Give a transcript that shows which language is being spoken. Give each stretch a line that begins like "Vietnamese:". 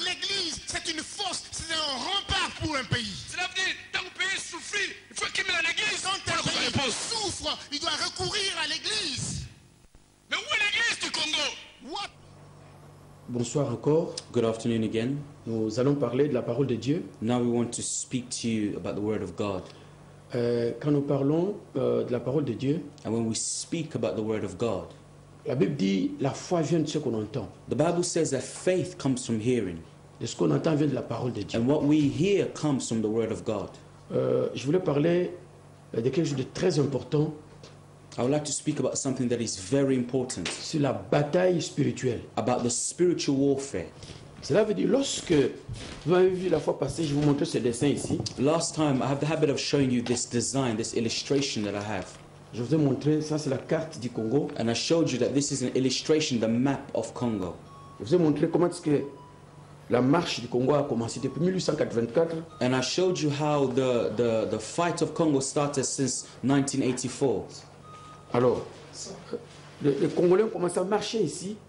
French: L'église, c'est une force, c'est un rempart pour un pays. Cela veut dire, tant que le pays souffre, il faut qu'il mette l'église. Quand un pays souffre, il doit recourir à l'église. Mais où est l'église du Congo?
English: What?
French: Bonsoir encore.
English: Good afternoon again.
French: Nous allons parler de la parole de Dieu.
English: Now we want to speak to you about the word of God.
French: Quand nous parlons de la parole de Dieu,
English: and when we speak about the word of God,
French: la Bible dit la foi vient de ce qu'on entend.
English: The Bible says that faith comes from hearing.
French: De ce qu'on entend vient de la parole de Dieu.
English: And what we hear comes from the word of God.
French: Je voulais parler de quelque chose de très important.
English: I would like to speak about something that is very important.
French: Sur la bataille spirituelle.
English: About the spiritual warfare.
French: Cela veut dire lorsque vous avez vu la fois passée, je vous montre ce dessin ici.
English: Last time I have the habit of showing you this design, this illustration that I have.
French: Je vous ai montré, ça c'est la carte du Congo.
English: And I showed you that this is an illustration, the map of Congo.
French: Je vous ai montré comment est-ce que la marche du Congo a commencé depuis 1884.
English: And I showed you how the fight of Congo started since 1984.
French: Alors, les Congolais ont commencé à marcher ici.